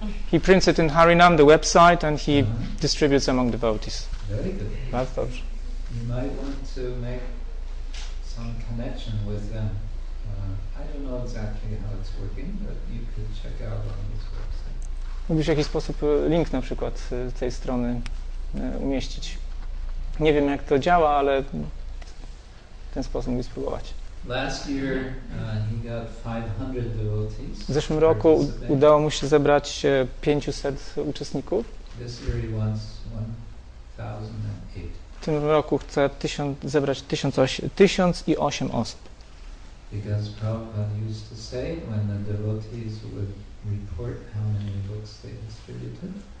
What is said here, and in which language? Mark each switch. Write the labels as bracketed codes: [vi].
[en] He prints it in Harinam, the website, and he distributes among devotees. Very good. You might want to make some connection with them. I don't know exactly how it's working, but you could check out on this website. [pl] Mógłbyś w jakiś sposób link na przykład z tej strony umieścić. Nie wiem, jak to działa, ale w ten sposób mógłbyś spróbować. [en] Last year he got 500 devotees. [pl] W zeszłym roku udało mu się zebrać 500 uczestników. [en] This year he wants 1008. [pl] W tym roku chce zebrać 1008 osób. [en] Because Prabhupada used to say when the devotees would report how many books they distributed.